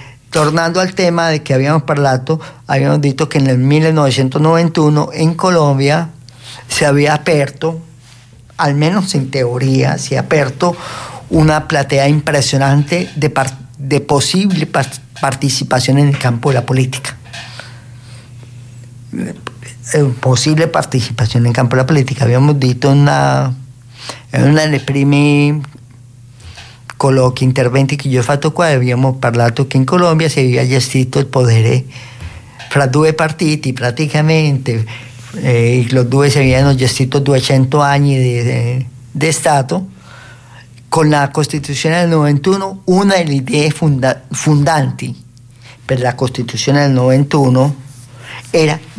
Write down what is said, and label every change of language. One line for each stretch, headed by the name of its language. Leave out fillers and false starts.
Italian: Tornando al tema di cui abbiamo parlato, abbiamo detto che nel 1991 in Colombia si aveva aperto, almeno in teoria, si è aperto una platea
Spanish: impresionante de posible participación en el campo de la política. Posible participación en el campo de la política. Habíamos dicho en una de los primeros
Italian: interventi
Spanish: que yo he
Italian: fatto qua,
Spanish: habíamos hablado que en Colombia se había
Italian: gestito
Spanish: el poder
Italian: fra due partiti
Spanish: prácticamente, y los
Italian: due
Spanish: se habían gestito 200 años de Estado.
Italian: Con la Costituzione del 91, una delle idee fondanti per la Costituzione del 91 era